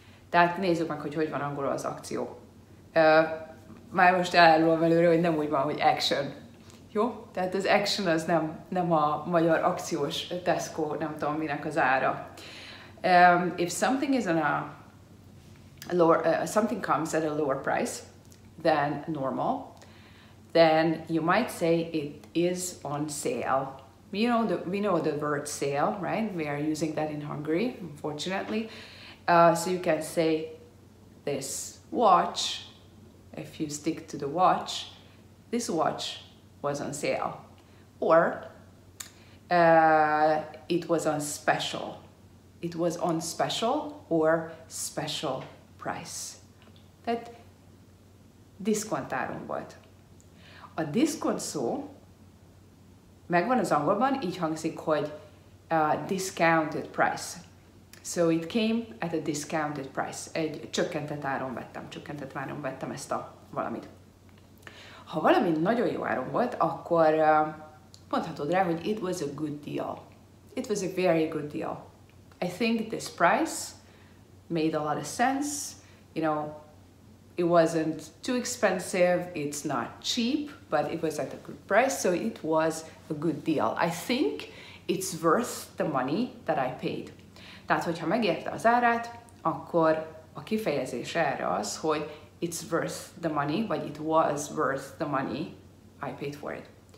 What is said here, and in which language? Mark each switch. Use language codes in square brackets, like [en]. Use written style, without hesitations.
[hu] Tehát nézzük meg, hogy van angolul az akció. Már most elárulom előre, hogy nem úgy van, hogy action. Jó? Tehát az action az nem a magyar akciós Tesco, nem tudom, minek az ára. [en] If something is on a lower, something comes at a lower price than normal, then you might say it is on sale. You know, we know the word sale, right? We are using that in Hungary, unfortunately. So you can say this watch, if you stick to the watch, this watch was on sale. Or it was on special. It was on special or special price. [hu] That diszkontáron volt. A diszkont szó megvan az angolban, így hangzik, hogy [en] discounted price. So it came at a discounted price. [hu] Egy csökkentett áron vettem ezt a valamit. Ha valami nagyon jó áron volt, akkor mondhatod rá, hogy [en] it was a good deal. It was a very good deal. I think this price made a lot of sense. You know, it wasn't too expensive. It's not cheap, but it was at a good price. So it was a good deal. I think it's worth the money that I paid. [hu] Tehát, hogyha megérte az árát, akkor a kifejezés erre az, hogy [en] it's worth the money, [hu] vagy [en] it was worth the money I paid for it.